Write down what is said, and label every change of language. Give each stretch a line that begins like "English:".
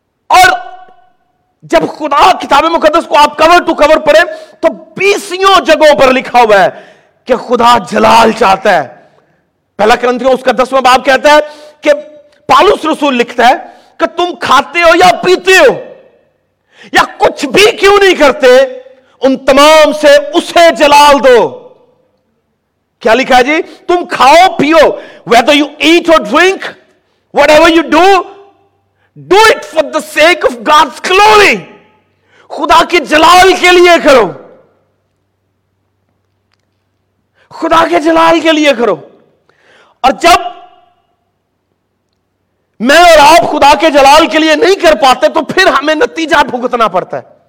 Urdu: اور جب خدا کتاب مقدس کو آپ
English: cover to cover
Urdu: پڑھیں تو بیسیوں جگہوں پر لکھا ہوا ہے کہ خدا جلال چاہتا ہے. پہلا کرنتھیوں اس کا دسواں باب کہتا ہے کہ پالوس رسول لکھتا ہے کہ تم کھاتے ہو یا پیتے ہو یا کچھ بھی کیوں نہیں کرتے، ان تمام سے اسے جلال دو. کیا لکھا جی؟ تم کھاؤ پیو،
English: whether you eat or drink, whatever you do, do it for the sake of God's glory.
Urdu: خدا کی جلال کے لیے کرو، خدا کے جلال کے لیے کرو. اور جب میں اور آپ خدا کے جلال کے لیے نہیں کر پاتے تو پھر ہمیں نتیجہ بھگتنا پڑتا ہے.